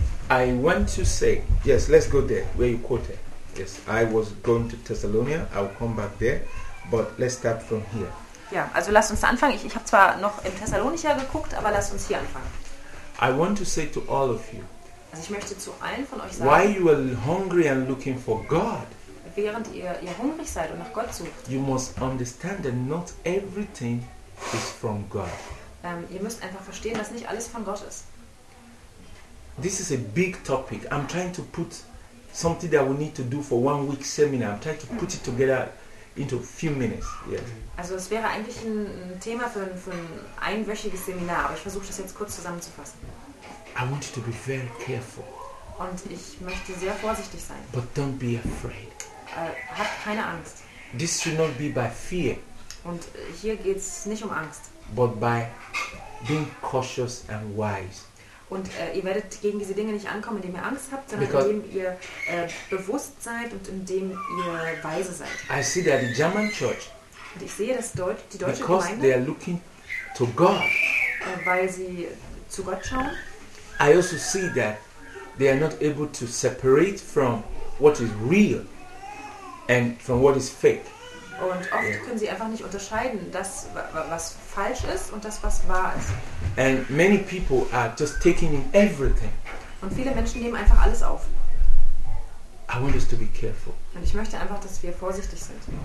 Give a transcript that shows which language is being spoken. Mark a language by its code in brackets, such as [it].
[en] I want to say, yes, let's go there, where you quoted. Yes, I was going to Thessalonica, I'll come back there, but let's start from here. [de] Ja, also lass uns da anfangen. Ich habe zwar noch in Thessalonica geguckt, aber lass uns hier anfangen. [en] I want to say to all of you, [de] also ich möchte zu allen von euch sagen, [en] while you are hungry and looking for God, [de] während ihr hungrig seid und nach Gott sucht, [en] you must understand that not everything is from God. [de] Ihr müsst einfach verstehen, dass nicht alles von Gott ist. [en] This is a big topic. I'm trying to put something that we need to do for 1 week seminar. I'm trying to put it together into a few minutes. Yeah. [de] Also es wäre eigentlich ein Thema für ein einwöchiges Seminar, aber ich versuche das jetzt kurz zusammenzufassen. [en] I want you to be very careful. [de] Und ich möchte sehr vorsichtig sein. [en] But don't be afraid. [de] Hab keine Angst. [en] This should not be by fear. [de] Und hier geht's nicht um Angst. [en] But by being cautious and wise. [de] Und ihr werdet gegen diese Dinge nicht ankommen, indem ihr Angst habt, sondern because indem ihr bewusst seid und indem ihr weise seid. [en] I see that the German church, [de] und ich sehe, dass die deutsche [en] because [de] Gemeinde, [en] they are looking to God, [de] weil sie zu Gott schauen, [en] I also see that they are not able to separate from what is real and from what is fake. [de] Und oft yeah. können sie einfach nicht unterscheiden, das, was falsch ist und das, was wahr ist. [en] And many people are just taking in everything. [de] Und viele Menschen nehmen einfach alles auf. [en] I want us to be careful. [de] Und ich möchte einfach, dass wir vorsichtig sind.